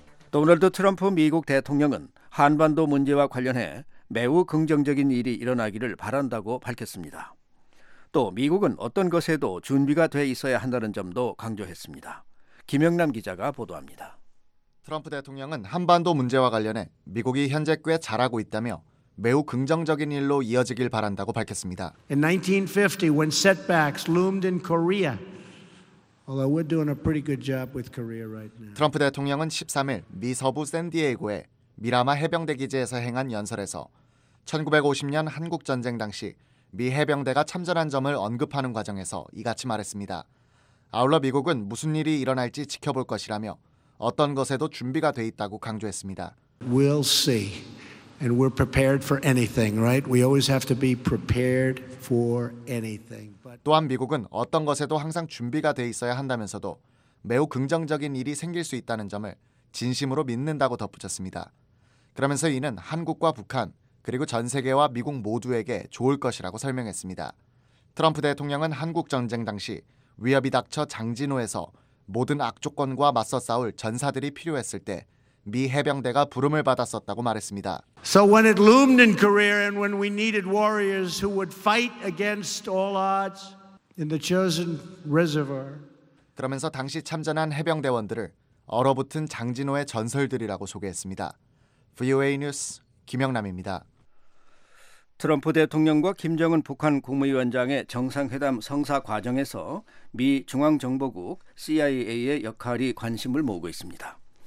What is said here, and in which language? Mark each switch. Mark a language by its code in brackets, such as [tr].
[ko] 도널드 트럼프 미국 대통령은 한반도 문제와 관련해 매우 긍정적인 일이 일어나기를 바란다고 밝혔습니다. 또 미국은 어떤 것에도 준비가 돼 있어야 한다는 점도 강조했습니다. 김영남 기자가 보도합니다. 트럼프 대통령은 한반도 문제와 관련해 미국이 현재 꽤 잘하고 있다며 매우 긍정적인 일로 이어지길 바란다고 밝혔습니다. [en] In 1950, when setbacks loomed in Korea, although we're doing a pretty good job with Korea right now. [ko] 트럼프 대통령은 13일 미 서부 샌디에이고에 미라마 해병대 기지에서 행한 연설에서 1950년 한국 전쟁 당시 미 해병대가 참전한 점을 언급하는 과정에서 이같이 말했습니다. 아울러 미국은 무슨 일이 일어날지 지켜볼 것이라며 어떤 것에도 준비가 돼 있다고 강조했습니다. [en] We'll see. And we're prepared for anything, right? We always have to be prepared for anything. [ko] 또한 미국은 어떤 것에도 항상 준비가 돼 있어야 한다면서도 매우 긍정적인 일이 생길 수 있다는 점을 진심으로 믿는다고 덧붙였습니다. 그러면서 이는 한국과 북한, 그리고 전 세계와 미국 모두에게 좋을 것이라고 설명했습니다. 트럼프 대통령은 한국 전쟁 당시 위협이 닥쳐 장진호에서 모든 악조건과 맞서 싸울 전사들이 필요했을 때 미 해병대가 부름을 받았었다고 말했습니다. [en] So when it loomed in Korea and when we needed warriors who would fight against all odds in the chosen reservoir. [ko] 그러면서 당시 참전한 해병대원들을 얼어붙은 장진호의 전설들이라고 소개했습니다. VOA 뉴스 김영남입니다. 트럼프 대통령과 김정은 북한 국무위원장의 정상회담 성사 과정에서 미 중앙정보국 CIA의 역할이 관심을 모으고 있습니다.